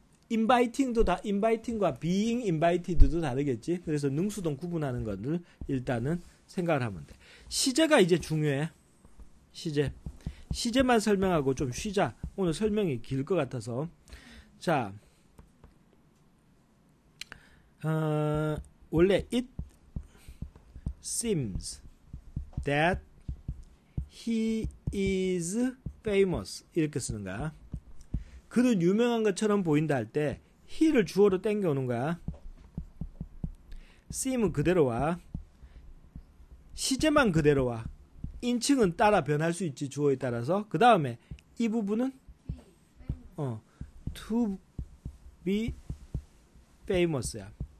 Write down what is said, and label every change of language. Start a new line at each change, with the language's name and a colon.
Korean: inviting도 다 inviting과 being invited도 다르겠지. 그래서 능수동 구분하는 것을 일단은 생각을 하면 돼. 시제가 이제 중요해. 시제. 시제만 설명하고 좀 쉬자. 오늘 설명이 길 것 같아서. 자. 원래
English: it seems that he is famous
Korean: 이렇게 쓰는 거야. 그는 유명한 것처럼 보인다 할 때 he를 주어로 땡겨오는 거야. seem 그대로 와. 시제만 그대로와 인칭은 따라 변할 수 있지 주어에 따라서. 그 다음에 이 부분은 to be famous야.